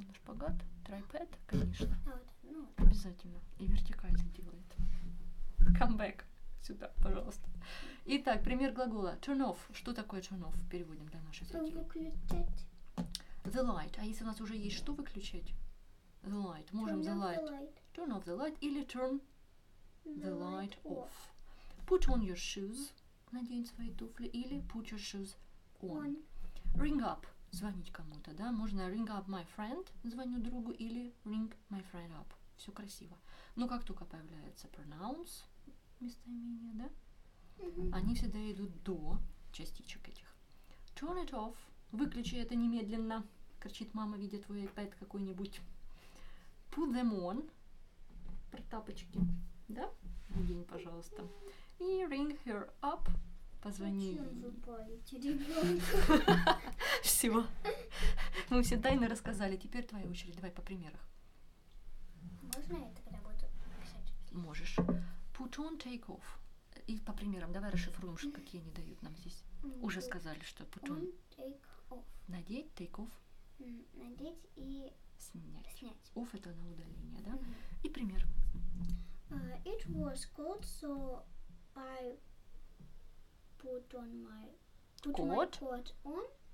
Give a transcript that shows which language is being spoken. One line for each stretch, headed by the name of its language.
Russian: Наш шпагат, трипод, конечно. Обязательно. И вертикально делает.
English: Come back.
Russian: Сюда, пожалуйста. Итак, пример глагола. Turn off. Что такое turn off? Переводим для наших зрителей. Выключать.
English: The light.
Russian: А если у нас уже есть что выключать?
English: The light.
Russian: Можем
English: the light. Turn off the light.
Russian: Или
English: turn the light off. Put on your shoes.
Russian: Надень свои туфли. Или
English: put your shoes on.
Russian: Ring up. Звонить кому-то, да? Можно
English: ring up my friend.
Russian: Звоню другу. Или
English: ring my friend up.
Russian: Все красиво. Но как только появляется pronouns, местоимение, да? Mm-hmm. Они всегда идут до частичек этих.
English: Turn it off.
Russian: Выключи это немедленно. Кричит мама, видя твой iPad какой-нибудь. Put them on. Про тапочки, да? День, пожалуйста. И
English: ring her up.
Russian: Позвони. Зачем вы палите ребёнка? Всё. Мы все тайны рассказали. Теперь твоя очередь. Давай по примерах. Можно я тогда буду писать? Можешь. Put on, take off. И по примерам. Давай расшифруем, что какие они дают нам здесь. Уже сказали, что put
English: on. Take off.
Russian: Надеть, take off. Надеть и снять.
English: Off
Russian: это на удаление, да? И пример.
English: It was cold, so I put on my coat on.